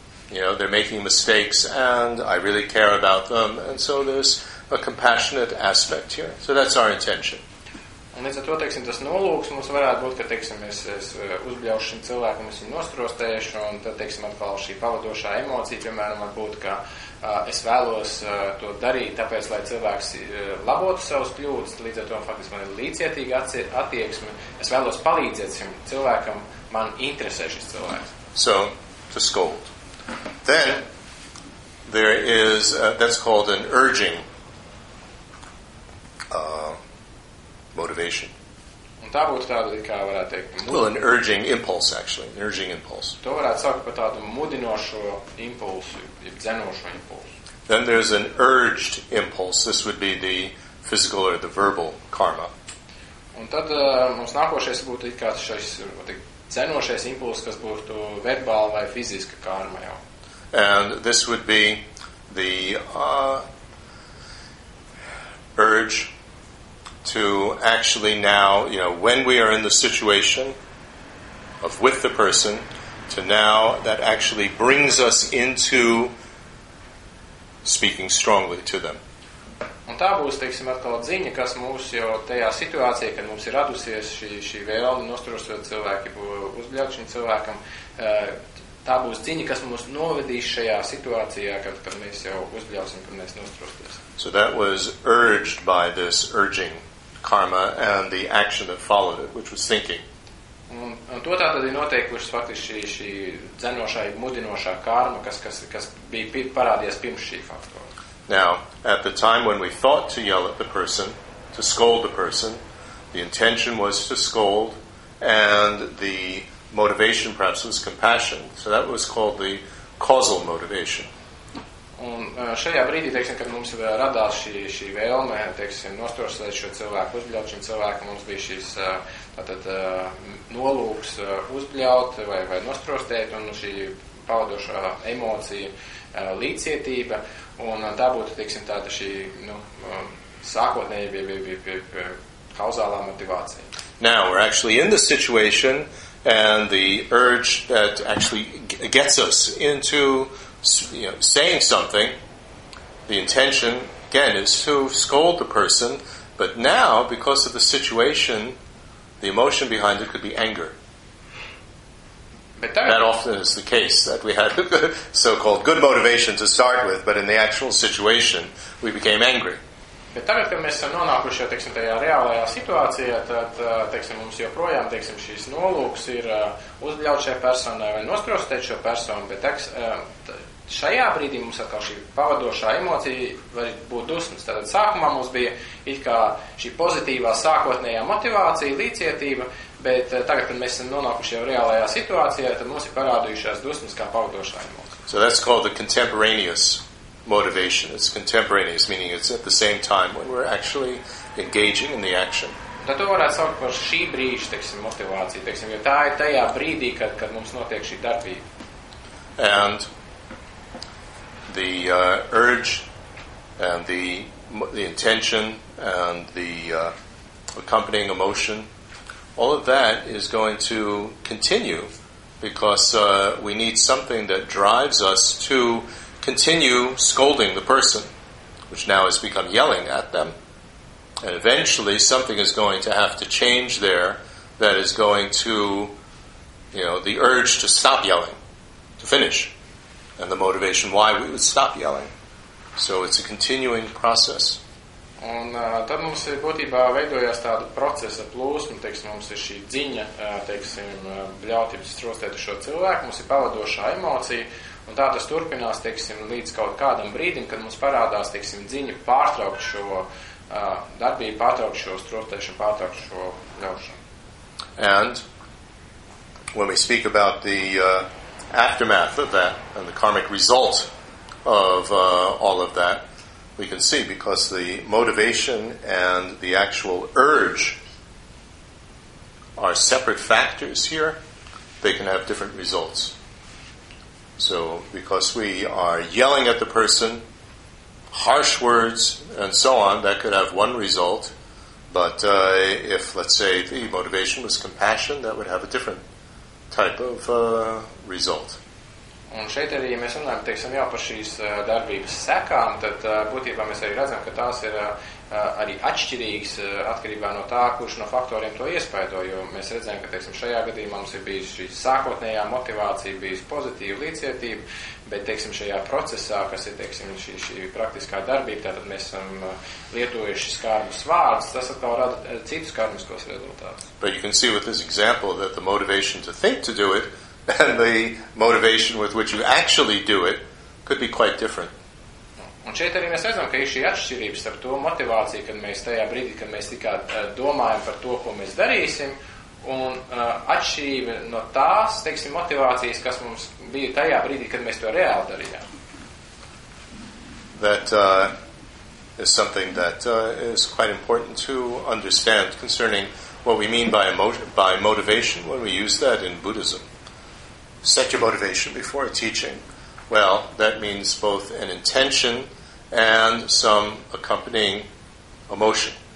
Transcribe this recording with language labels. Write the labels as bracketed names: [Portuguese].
[English] You know, they're making mistakes, and I really care about them. And so there's a compassionate aspect here. So that's our intention. [Latvian] Un līdz ar to, teiksim, tas nolūks mums varētu būt, ka, teiksim, es uzbļaušu šim cilvēku, mēs viņu nostrostēšu, un tad, teiksim, atkal šī pavadošā emocija, piemēram, varbūt, ka es vēlos to darīt, tāpēc, lai cilvēks labotu savus kļūdus, līdz ar to, faktiski, man ir līdzietīga attieksme, es vēlos palīdzēt šim cilvēkam, man interesē šis cilvēks. [English] So, to scold. Then, there is, that's called an urging motivation. [Latvian] Un tā būtu tāda, kā varētu teikt, [English] well, an urging impulse, actually, an urging impulse. [Latvian] To varētu saukt par tādu mudinošo impulsu, jeb dzenošo impulsu. [English] Then there's an urged impulse. This would be the physical or the verbal karma. [Latvian] Un tad mums nākošais būtu kāds šis dzenošais impulss, kas būtu verbāla vai fiziska karma jau. [English] And this would be the urge to actually now, you know, when we are in the situation of with the person, to now that actually brings us into speaking strongly to them. [Latvian] Un tā būs, teiksim, atkal dziņa, kas mūs jau tajā situācijā, kad mums ir radusies šī vēlme nostrosot cilvēki, uzbļaut šim cilvēkam, tā būs dziņa, kas mums novedīs šajā situācijā, kad mēs jau uzbļausim, kad mēs nostrosties. [English] So that was urged by this urging karma and the action that followed it, which was thinking. [Latvian] Un to tātad ir noteikušas faktiski šī dzenošā, mudinošā karma, kas bija parādījies pirms šī faktora. [English] Now, at the time when we thought to yell at the person, to scold the person, the intention was to scold, and the motivation perhaps was compassion. So that was called the causal motivation. [Latvian] Un šajā brīdī, teiksim, kad mums radās šī vēlme, teiksim, nostrosēt šo cilvēku, uzbļaut šim cilvēku, mums bija šis tātad, nolūks uzbļaut vai nostrostēt, un šī pavadošā emocija, līdzietība, un tā būtu, teiksim, tāda šī sākotnēja bija kauzālā motivācija. [English] Now, we're actually in the situation, and the urge that actually gets us into saying something, the intention, again, is to scold the person, but now, because of the situation, the emotion behind it could be anger. But that often is the case, that we had so-called good motivation to start with, but in the actual situation, we became angry. [Latvian] Bet tagad, kad mēs esam nonākuši, teiksim, tajā reālajā situācijā, tad, teiksim, mums joprojām, teiksim, šīs nolūks ir uzbļaut šai personai vai nostrostēt šo personu, bet šajā brīdī mums atkal šī pavadošā emocija var būt dusmas. Tātad sākumā mums bija it kā šī pozitīvā sākotnējā motivācija, līdzietība, bet tagad, kad mēs esam nonākuši jau reālajā situācijā, tad mums ir parādījušās dusmas kā pavadošā emocija. [English] So that's called the contemporaneous motivation. It's contemporaneous, meaning it's at the same time when we're actually engaging in the action. [Latvian] Tad to varētu saukt par šī brīža, teiksim, motivāciju, teiksim, jo tā ir tajā brīdī, kad mums notiek šī darbība. [English] And the urge and the intention and the accompanying emotion, all of that is going to continue because we need something that drives us to continue scolding the person, which now has become yelling at them. And eventually something is going to have to change there that is going to you know, the urge to stop yelling, to finish, and the motivation why we would stop yelling. So it's a continuing process. [Latvian] Un tad mums ir būtībā veidojās tāda procesa plūsma, teiksim, mums ir šī dziņa, teiksim, bļautības strostēt šo cilvēku, mums ir pavadošā emocija, un tā tas turpinās, teiksim, līdz kaut kādam brīdim, kad mums parādās, teiksim, dziņa pārtraukt šo darbību, pārtraukt šo strostēšanu, pārtraukt šo ļaušanu. [English] And when we speak about the aftermath of that and the karmic result of all of that, we can see because the motivation and the actual urge are separate factors here, they can have different results. So because we are yelling at the person, harsh words and so on, that could have one result. But if, let's say, the motivation was compassion, that would have a different type of result. [Latvian] Un šeit arī mēs runājam, teiksim, jau par šīs darbības sekām, tad būtībā mēs arī redzam, ka tās ir arī atšķirīgas atkarībā no tā, kurš no faktoriem to iespaido, jo mēs redzam, ka, teiksim, šajā gadījumā mums ir bijis šī sākotnējā motivācija, bijis pozitīva līdzietība, bet, teiksim, šajā procesā, kas ir, teiksim, šī praktiskā darbība, tātad mēs esam lietojuši skarbus vārdus, tas atkal rada citus karmiskos rezultātus. [English] But you can see with this example that the motivation to think to do it and the motivation with which you actually do it could be quite different. [Latvian] Un šeit arī mēs redzam, ka ir šī atšķirības ar to motivāciju, kad mēs tajā brīdī, kad mēs tikai domājam par to, ko mēs darīsim, un atšķirība no tās, teiksim, motivācijas, kas mums bija tajā brīdī, kad mēs to reāli darījām. [English] That is something that is quite important to understand concerning what we mean by motivation when we use that in Buddhism. Set your motivation before a teaching. Well, that means both an intention and some accompanying emotion.